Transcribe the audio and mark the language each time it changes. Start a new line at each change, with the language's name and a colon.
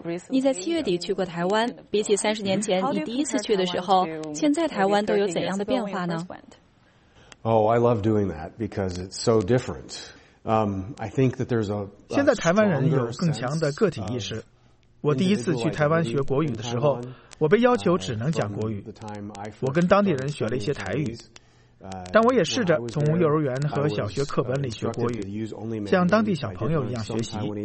Chinese: 你在7月底去过台湾，比起30年前你第一次去的时候，现在台湾都有怎样的变化呢？
English: I love doing that because it's so different. I think that there's a
Chinese: 现在台湾人有更强的个体意识。我第一次去台湾学国语的时候，我被要求只能讲国语。我跟当地人学了一些台语，但我也试着从幼儿园和小学课本里学国语，像当地小朋友一样学习。